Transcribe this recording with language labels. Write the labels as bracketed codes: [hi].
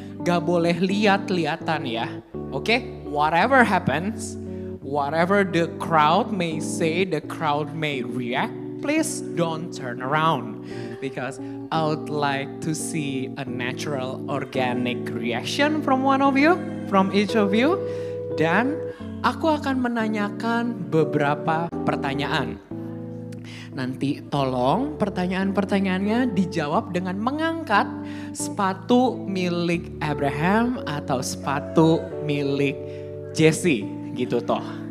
[id] Gak boleh lihat-lihatan ya. Oke? Okay? [en] Whatever happens, whatever the crowd may say, the crowd may react, please don't turn around. Because I would like to see a natural organic reaction from one of you, from each of you. [id] Dan aku akan menanyakan beberapa pertanyaan. Nanti tolong pertanyaan-pertanyaannya dijawab dengan mengangkat sepatu milik Abraham atau sepatu milik Jesse gitu toh.